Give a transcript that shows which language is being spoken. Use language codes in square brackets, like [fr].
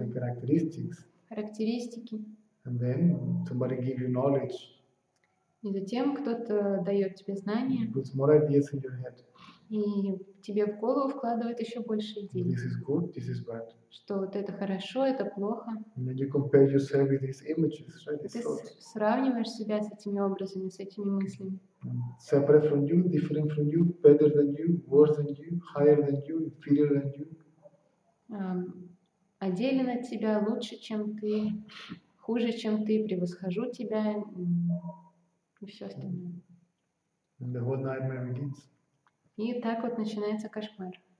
[en] The characteristics. [ru] Характеристики. [en] And then somebody give you knowledge. [ru] И затем кто-то дает тебе знания. [en] Puts more ideas in your head. [ru] И тебе в голову вкладывает еще больше идей. [en] This is good, this is bad. [ru] Что вот это хорошо, это плохо. [en] And then you compare yourself with these images, right? [ru] Ты сравниваешь себя с этими образами, с этими мыслями. [en] Separate from you, different from you, better than you, worse than you, higher than you, inferior than you. [ru] Отделен от тебя, лучше, чем ты, хуже, чем ты, превосхожу тебя. И все остальное. [en] And the whole nightmare begins. [ru] И так вот начинается кошмар.